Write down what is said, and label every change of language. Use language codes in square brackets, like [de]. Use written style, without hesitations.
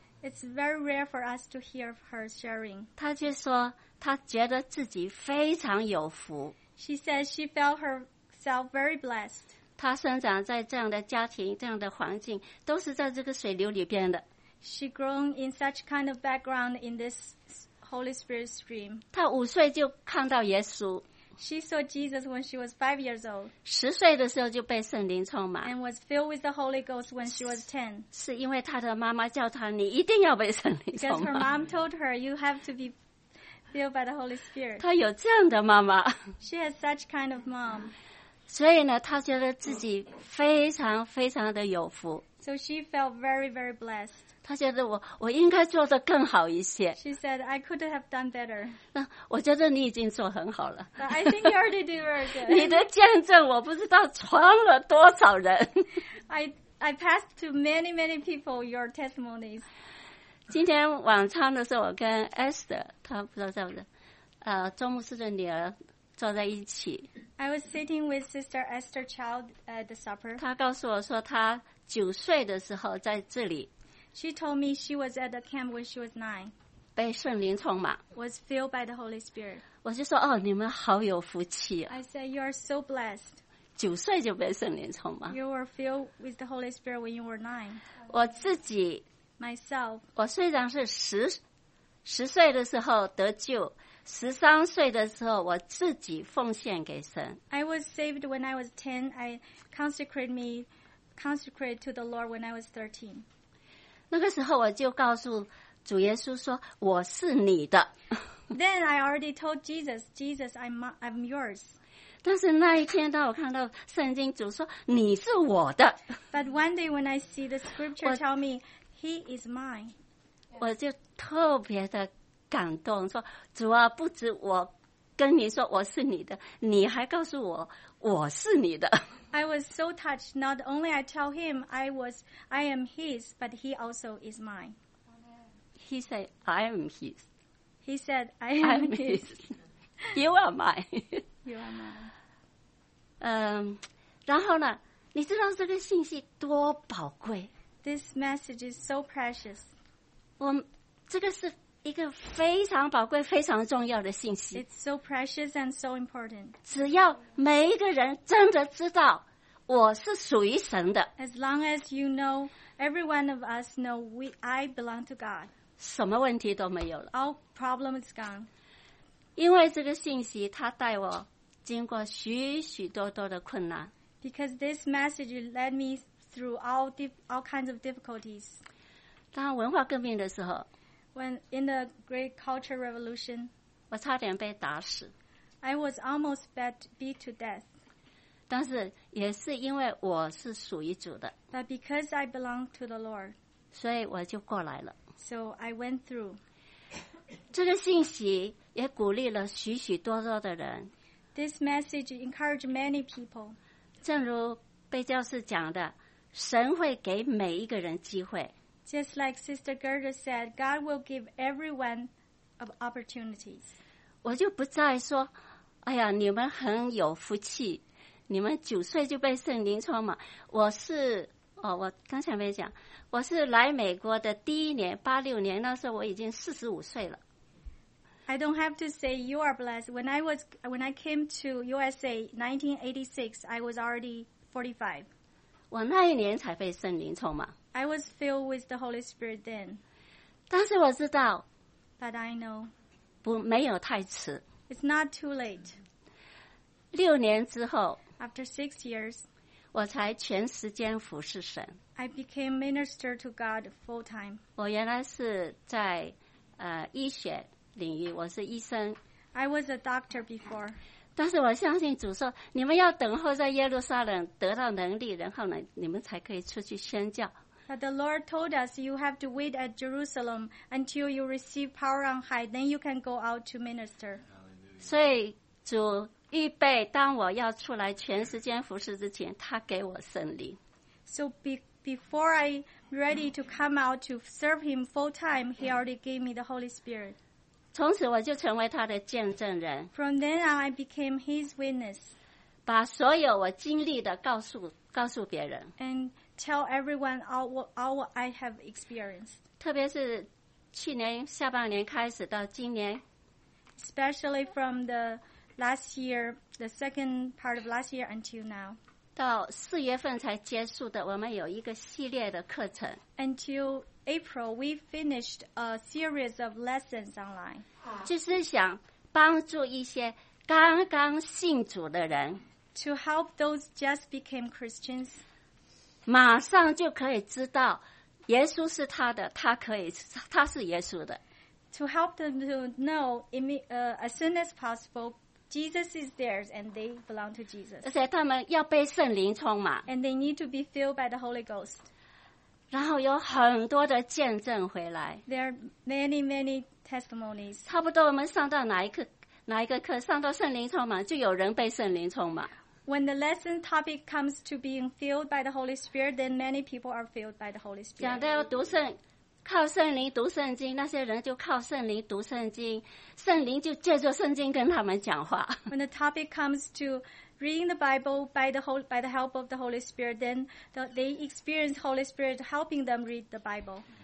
[en] it's very rare for us to hear her sharing [zh] 她就说她觉得自己非常有福 [en] she said she felt herself very blessed [zh] 她生长在这样的家庭这样的环境都是在这个水流里边的 [en] she grown in such kind of background in this Holy Spirit stream [zh] 她五岁就看到耶稣 [en] She saw Jesus when she was 5 years old. [zh] 十岁的时候就被圣灵充满。 [en] And was filled with the Holy Ghost when she was 10. [zh] 是因为她的妈妈叫她，你一定要被圣灵充满。 [en] Because her mom told her, you have to be filled by the Holy Spirit. [zh] 她有这样的妈妈。 [en] She has such kind of mom. [zh] 所以呢，她觉得自己非常非常的有福。 [en] So she felt very, very blessed. [zh] 她觉得我应该做得更好一些。 [en] She said, I could have done better. [zh] 我觉得你已经做很好了。 [en] I think you already did very good. [zh] 你的见证我不知道传了多少人。 [en] I passed to many, many people your testimonies. [zh] 今天晚餐的时候我跟 Esther, 她不知道在不在，周牧师的女儿坐在一起。 [en] I was sitting with Sister Esther Child at the supper. [zh] 她告诉我说她九岁的时候在这里。 [en] She told me she was at the camp when she was 9. [zh] 被圣灵充满。 [en] Was filled by the Holy Spirit. [zh] 我就说哦你们好有福气啊。 [en] I said you are so blessed. [zh] 九岁就被圣灵充满。 [en] You were filled with the Holy Spirit when you were 9. [zh] 我自己。 [en] Myself. [zh] 我虽然是十岁的时候得救。十三岁的时候我自己奉献给神。 [en] I was saved when I was 10. I consecrated me. Consecrated to the Lord when I was 13. [zh] 那个时候我就告诉主耶稣说我是你的。 [en] Then I already told Jesus, Jesus, I'm yours. [zh] 但是那一天当我看到圣经主说你是我的。 [en] But one day when I see the scripture tell me, he is mine. [zh] 我就特别的感动说主啊不止我跟你说我是你的你还告诉我我是你的。 [en] I was so touched. Not only I tell him I am his, but he also is mine. He said, I am his. He said, I am his. You are mine. You are mine. [zh] 然后呢，你知道这个信息多宝贵。 [en] This message is so precious. [zh] 我这个是一个非常宝贵非常重要的信息。 [en] It's so precious and so important. [zh] 只要每一个人真的知道我是属于神的。 [en] As long as you know, every one of us know I belong to God. [zh] 什么问题都没有了。 [en] All problem is gone. [zh] 因为这个信息它带我经过许许多多的困难。 [en] Because this message led me through all kinds of difficulties. [zh] 当文化革命的时候， [en] When in the Great Cultural Revolution, [zh] 我差点被打死。 [en] I was almost beat to death. [zh] 但是也是因为我是属于主的。 [en] But because I belong to the Lord. [zh] 所以我就过来了。 [en] So I went through. [zh] 这个信息也鼓励了许许多多的人。 [en] This message encouraged many people. [zh] 正如贝教士讲的，神会给每一个人机会。 [en] Just like Sister Gerda said, God will give everyone of opportunities. [zh] 我就不再说，哎呀，你们很有福气，你们九岁就被圣灵充满。我是哦，我刚才没讲，我是来美国的第一年，86年，那时候我已经45岁了。 [en] I don't have to say you are blessed. When I came to USA 1986, I was already 45. [zh] 我那一年才被圣灵充满。 [en] I was filled with the Holy Spirit then. [zh] 但是我知道。 [en] But I know. [zh] 不，没有太迟。 [en] It's not too late. [zh] 6年之后。 [en] After 6 years. [zh] 我才全时间服侍神。 [en] I became minister to God full time. [zh] 我原来是在医学。领域，我是医生。 [en] I was a doctor before. [zh] 但是我相信主说，你们要等候在耶路撒冷得到能力，然后呢，你们才可以出去宣教。 [en] But the Lord told us you have to wait at Jerusalem until you receive power on high, then you can go out to minister. [zh] 所以主预备，当我要出来全时间服侍之前，他给我圣灵。 [en] So before I ready to come out to serve Him full time, He already gave me the Holy Spirit. [zh] 从此我就成为他的见证人。 [en] From then on, I became his witness. [zh] 把所有我经历的告诉别人。 [en] And tell everyone all I have experienced. [zh] 特别是去年下半年开始到今年。 [en] Especially from the last year, the second part of last year until now. [zh] 到四月份才结束的，我们有一个系列的课程。 [en] Until April, we finished a series of lessons online. [zh] 就是想帮助一些刚刚信主的人 [en] to help those just became Christians. [zh] 马上就可以知道耶稣是他的，他可以，他是耶稣的。 [en] To help them to know as soon as possible, Jesus is theirs and they belong to Jesus. [zh] 而且他们要被圣灵充满。 [en] And they need to be filled by the Holy Ghost. [zh] 然后有很多的见证回来。 [en] There are many, many testimonies. [zh] 差不多我们上到哪一个课，上到圣灵充满，就有人被圣灵充满。 [en] When the lesson topic comes to being filled by the Holy Spirit, then many people are filled by the Holy Spirit. [zh] 讲到要读圣，靠圣灵读圣经，那些人就靠圣灵读圣经，圣灵就借着圣经跟他们讲话。 [en] When the topic comes to reading the Bible by the help of the Holy Spirit, then they experience Holy Spirit helping them read the Bible.